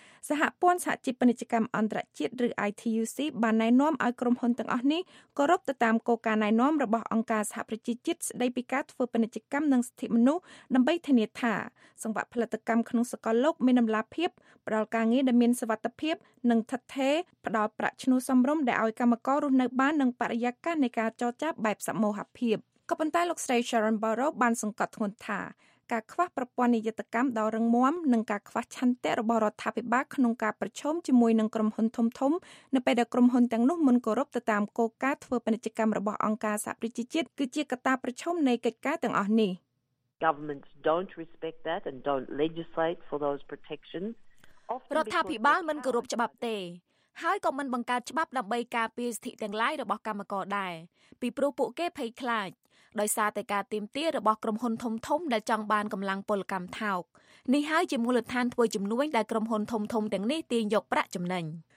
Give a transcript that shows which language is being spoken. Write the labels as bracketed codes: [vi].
[km] សហព័ន្ធសហជីពពាណិជ្ជកម្មអន្តរជាតិឬ ITUC បានណែនាំឲ្យក្រុមហ៊ុនទាំងអស់នេះគោរពទៅតាមគោលការណ៍ណែនាំរបស់អង្គការសហប្រជាជាតិស្តីពីការធ្វើពាណិជ្ជកម្មនិងសិទ្ធិមនុស្សដើម្បីធានាថាសង្វាក់ផលិតកម្មក្នុងសកលលោកមានតម្លាភាពផ្តល់ការងារដែលមានសុវត្ថិភាពនិងស្ថិតស្ថេរផ្តល់ប្រាក់ឈ្នួលសមរម្យដែលឲ្យកម្មកររស់នៅបាននិងបរិយាកាសនៃការចរចាបែបសមូហភាពក៏ប៉ុន្តែលោកស្រី Sharon Barrow បានសង្កត់ធ្ងន់ថា ការខ្វះប្រព័ន្ធនយោបាយកម្មដ៏រឹងមាំនិងការខ្វះឆន្ទៈរបស់រដ្ឋាភិបាលក្នុងការប្រឈមជាមួយនឹងក្រុមហ៊ុនធំៗនៅពេលដែលក្រុមហ៊ុនទាំងនោះមិនគោរពទៅតាមគោលការណ៍ធ្វើពាណិជ្ជកម្មរបស់អង្គការសហប្រជាជាតិគឺជាកត្តាប្រឈមនៃកិច្ចការទាំងអស់នេះ [en] Governments don't respect that and don't legislate for those protections. [km] រដ្ឋាភិបាលមិនគោរពច្បាប់ទេហើយក៏មិនបង្កើតច្បាប់ដើម្បីការពារសិទ្ធិទាំងឡាយរបស់កម្មករដែរពីព្រោះពួកគេភ័យខ្លាចដោយសារតែការទាមទាររបស់ក្រុមហ៊ុនធំៗ ដែលចង់បានកម្លាំងពលកម្មថោកនេះហើយជាមូលដ្ឋានធ្វើជំនួយដែលក្រុមហ៊ុនធំៗ ទាំងនេះទាញយកប្រាក់ចំណេញ